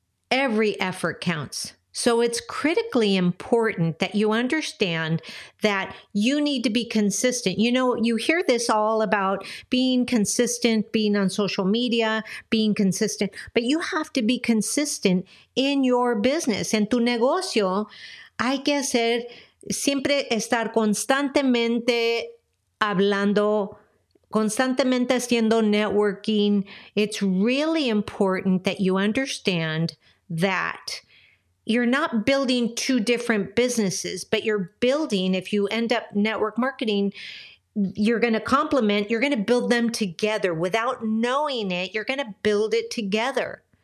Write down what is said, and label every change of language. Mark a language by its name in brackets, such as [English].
[English] Every effort counts. So it's critically important that you understand that you need to be consistent. You know, you hear this all about being consistent, being on social media, being consistent, but you have to be consistent in your business. [Spanish] En tu negocio, hay que ser siempre estar constantemente hablando, constantemente haciendo networking. [English] It's really important that you understand that you're not building two different businesses, but you're building, if you end up network marketing, you're going to complement, you're going to build them together. Without knowing it, you're going to build it together.